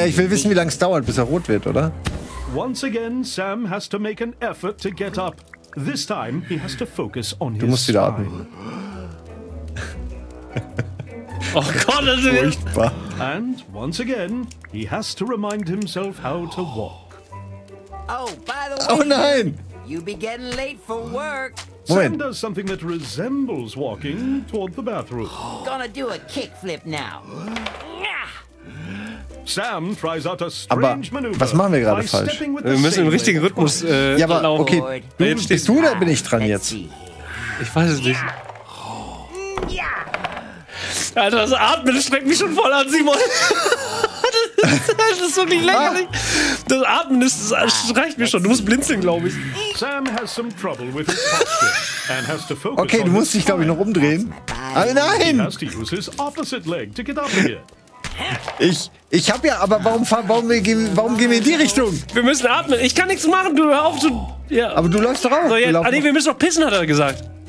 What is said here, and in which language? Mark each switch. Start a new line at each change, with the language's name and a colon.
German: Ich will wissen, wie lange es dauert, bis er rot wird, oder?
English: Once again, Sam has to make an effort to get up. This time, he has to focus on his.
German: Du musst wieder atmen. Oh Gott, das ist furchtbar.
English: And once again, he has to remind himself how to walk. Oh, by the way. Oh nein. You be getting late for work. Sam does something that resembles walking toward the bathroom. Gonna do a kickflip now. Sam tries out a strange maneuver.
German: Was machen wir gerade falsch? Wir müssen im richtigen Rhythmus ja, aber okay. Bist du oder bin ich dran jetzt? Ich weiß es nicht. Alter, das Atmen, das streckt mich schon voll an, Simon. Das ist wirklich lächerlich. Das Atmen, das streicht mich schon. Du musst blinzeln, glaube ich.
English: Sam has some trouble with his posture and has to focus.
German: Okay, du musst dich, glaube ich, noch umdrehen. Oh, nein!
English: He has to use his opposite leg to get up here.
German: Ich hab ja, aber warum gehen wir in die Richtung? Wir müssen atmen. Ich kann nichts machen, du hör auf zu. Ja. Aber du läufst doch auch. So, ja, ah, nee, wir müssen doch pissen, hat er gesagt.